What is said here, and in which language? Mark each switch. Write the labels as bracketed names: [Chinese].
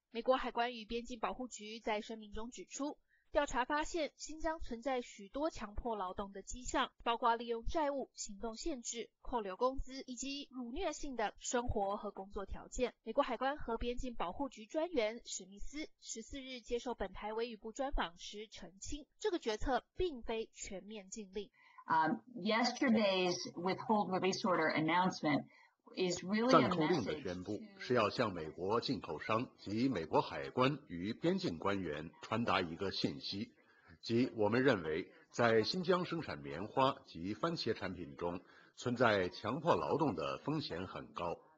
[Chinese] 美国海关与边境保护局在声明中指出，调查发现新疆存在许多强迫劳动的迹象，包括利用债务、行动限制、扣留工资以及辱虐性的生活和工作条件。美国海关和边境保护局专员史密斯14日接受本台维语部专访时澄清，这个决策并非全面禁令。 [English] Yesterday's withhold release order announcement is really a message. [Chinese] 暂扣令的宣布是要向美国进口商及美国海关与边境官员传达一个信息，即我们认为在新疆生产棉花及番茄产品中存在强迫劳动的风险很高。